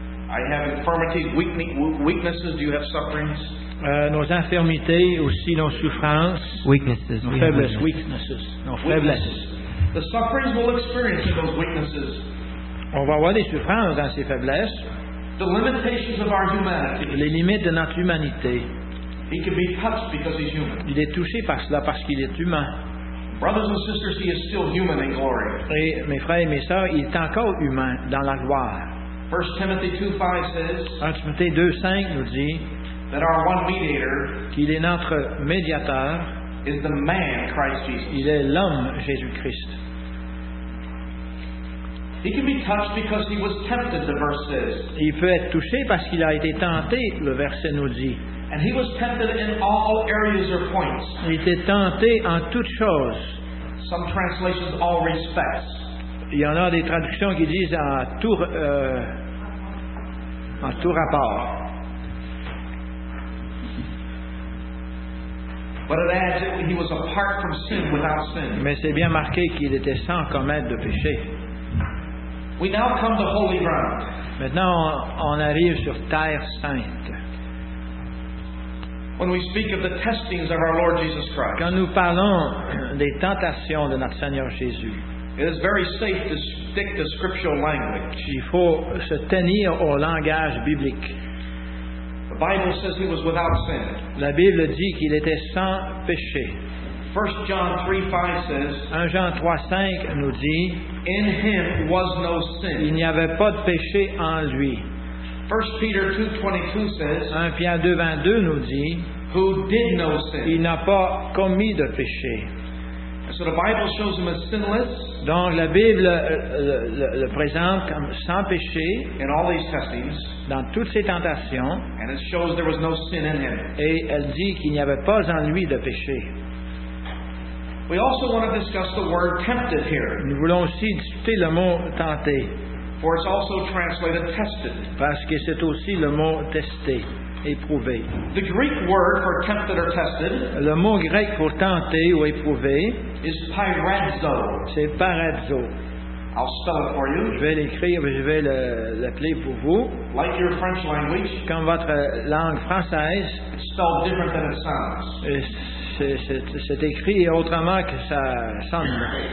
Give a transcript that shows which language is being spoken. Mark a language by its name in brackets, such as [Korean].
[English] I have infirmities, weaknesses. Do you have sufferings? [French] Nos infirmités aussi nos souffrances. [English] Weaknesses. [French] Nos faiblesses. [English] Weaknesses. [French] Nos faiblesses. [English] The sufferings we'll experience in those weaknesses. [French] On va avoir des souffrances dans ces faiblesses. [English] The limitations of our humanity. [French] Les limites de notre humanité. [English] He can be touched because he's human. [French] Il est touché par cela parce qu'il est humain. [English] Brothers and sisters, he is still human in glory. [French] Et mes frères et mes sœurs, il est encore humain dans la gloire. [English] 1 Timothy 2:5 says. [French] 1 Timothée 2:5 nous dit. [English] That our one mediator. [French] Qu'il est notre médiateur. [English] Is the man Christ Jesus. [French] Il est l'homme Jésus Christ. [English] He can be touched because he was tempted. The verse says. [French] Il peut être touché parce qu'il a été tenté. Le verset nous dit. [English] And he was tempted in all areas or points. [French] Il était tenté en toutes choses. [English] Some translations all respects. [French] Il y en a des traductions qui disent en tout rapport. [English] But it adds that he was apart from sin, without sin. [French] Mais c'est bien marqué qu'il était sans commettre de péché. [English] We now come to holy ground. [French] Maintenant, on arrive sur terre sainte. [English] When we speak of the testings of our Lord Jesus Christ, [French] quand nous parlons des tentations de notre Seigneur Jésus, [English] it is very safe to stick to scriptural language. [French] Il faut se tenir au langage biblique. [English] The Bible says he was without sin. [French] La Bible dit qu'il était sans péché. [English] 1 John 3:5 says. [French] 1 Jean 3:5 nous dit. [English] In him was no sin. [French] Il n'y avait pas de péché en lui. [English] 1 Peter 2:22 says. [French] 1 Pierre 2:22 nous dit. [English] Who did no sin? [French] Il n'a pas commis de péché. [English] So the Bible shows him as sinless. [French] Donc la Bible le présente comme sans péché. [English] In all these testings. [French] Dans toutes ces tentations. [English] And it shows there was no sin in him. [French] Et elle dit qu'il n'y avait pas en lui de péché. [English] We also want to discuss the word tempted here. [French] Nous voulons aussi discuter le mot tenté. [English] For it's also translated tested. [French] Parce que c'est aussi le mot testé, éprouvé. [English] The Greek word for tempted or tested. [French] Le mot grec pour tenté ou éprouvé. [English] Is pyrazo. [French] C'est parazo. [English] I'll spell it for you. [French] Je vais l'écrire, je vais l'appeler pour vous. [English] Like your French language. [French] Comme votre langue française. [English] It's spelled different than it sounds. [French] C'est écrit autrement que ça sonne.